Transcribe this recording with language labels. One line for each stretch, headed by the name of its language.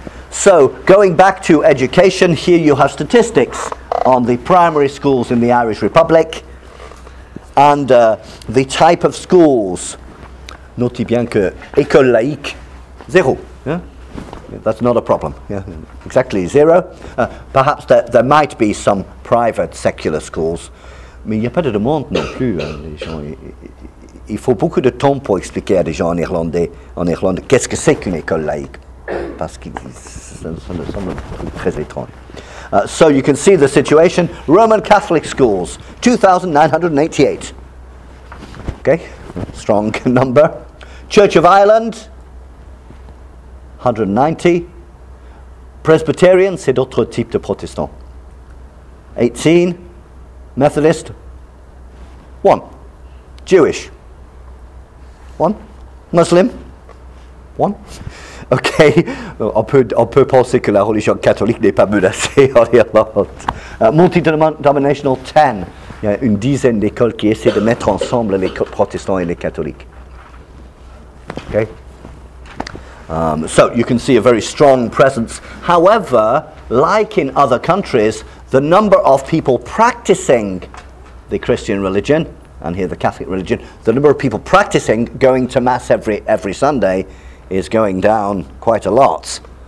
English: So going back to education, here you have statistics on the primary schools in the Irish Republic and the type of schools.
French: Notez bien que école laïque.
English: Zero. Yeah? That's not a problem. Yeah. Exactly zero. Perhaps there might be some private secular schools.
French: Mais il n'y a pas de demande non plus. Hein, les gens, il faut beaucoup de temps pour expliquer à des gens en Irlande qu'est-ce que c'est qu'une école laïque. Parce que ça me semble très étrange.
English: So you can see the situation. Roman Catholic schools, 2,988. Okay, strong number. Church of Ireland, 190.
French: Presbyterian, c'est d'autres types de protestants. 18.
English: Methodist, 1. Jewish, 1. Muslim, 1.
French: Ok, on peut penser que la religion catholique n'est pas menacée en Irlande. Multi-denominational, 10. Il y a une dizaine d'écoles qui essaient de mettre ensemble les protestants et les catholiques. Ok.
English: So, you can see a very strong presence. However, like in other countries, the number of people practicing the Christian religion, and here the Catholic religion, the number of people practicing going to Mass every Sunday is going down quite a lot.